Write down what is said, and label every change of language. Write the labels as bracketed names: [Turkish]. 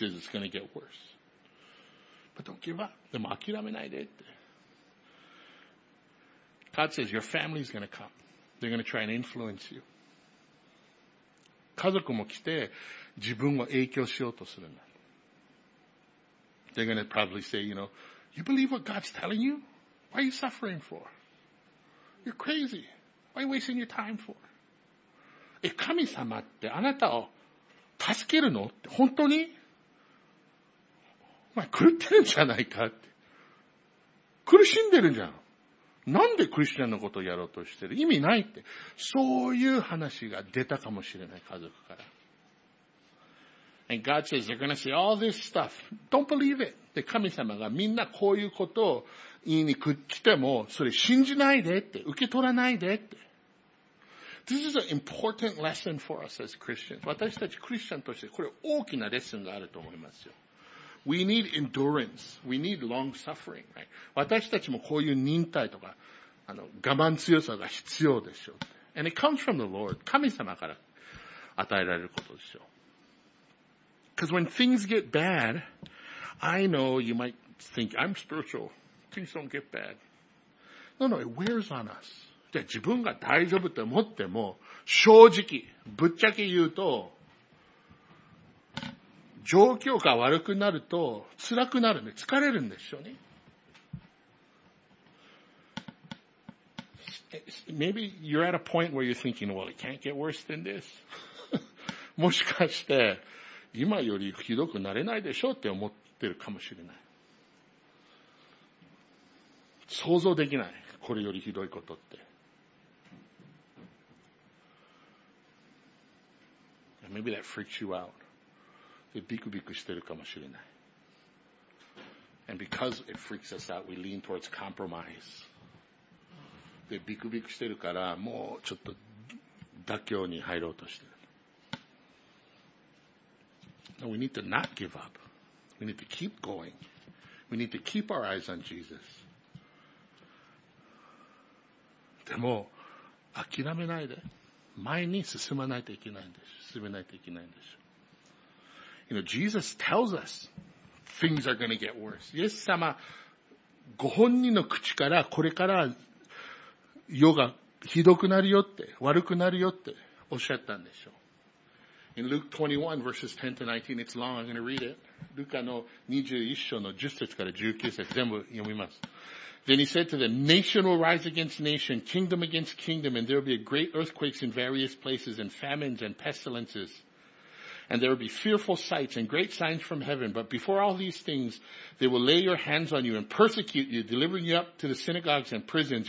[English] He says it's gonna get worse. But don't give up. [Japanese] でも諦めないでって。 [English] God says your family is gonna come. They're gonna try and influence you. [Japanese] 家族も来て自分を影響しようとするんだ。 [English] They're gonna probably say, you know, you believe what God's telling you? Why are you suffering for? You're crazy. Why are you wasting your time for? [Japanese] え、神様ってあなたを助けるの?って本当に? お前狂ってるんじゃないかって。苦しんでるじゃん。なんでクリスチャンのことをやろうとしてる?意味ないって。そういう話が出たかもしれない、家族から。 [English] And God says, they're gonna say all this stuff. Don't believe it. [Japanese] で、神様がみんなこういうことを言いに来ても、それ信じないでって、受け取らないでって。 [English] This is an important lesson for us as Christians. [Japanese] 私たちクリスチャンとしてこれ大きなレッスンがあると思いますよ。 [English] We need endurance. We need long suffering, right? [Japanese] 私たちもこういう忍耐とか、我慢強さが必要でしょう。 [English] And it comes from the Lord. [Japanese] 神様から与えられることでしょう。 [English] Because when things get bad, I know you might think, I'm spiritual. Things don't get bad. No, no, it wears on us. [Japanese] じゃあ自分が大丈夫と思っても、正直、ぶっちゃけ言うと、状況が悪くなると、辛くなるね。疲れるんでしょうね。 [English] Maybe you're at a point where you're thinking, well, it can't get worse than this. [Japanese] もしかして、今よりひどくなれないでしょうって思ってるかもしれない。想像できない。これよりひどいことって。 [English] Maybe that freaks you out. [Japanese] ビクビクしてるかもしれない。 [English] And because it freaks us out, we lean towards compromise. [Japanese] で、ビクビクしてるから、もうちょっと妥協に入ろうとしてる。 [English] No, we need to not give up. We need to keep going. We need to keep our eyes on Jesus. [Japanese] でも、諦めないで。前に進まないといけないんです。進めないといけないんです。 [English] You know, Jesus tells us things are going to get worse. [Japanese] イエス様、ご本人の口からこれから世がひどくなるよって、悪くなるよっておっしゃったんでしょう。 [English] In Luke 21, verses 10 to 19, it's long, I'm going to read it. [Japanese] ルカの21章の10節から19節全部読みます。 [English] Then he said to them, nation will rise against nation, kingdom against kingdom, and there will be great earthquakes in various places and famines and pestilences. And there will be fearful sights and great signs from heaven. But before all these things, they will lay your hands on you and persecute you, delivering you up to the synagogues and prisons.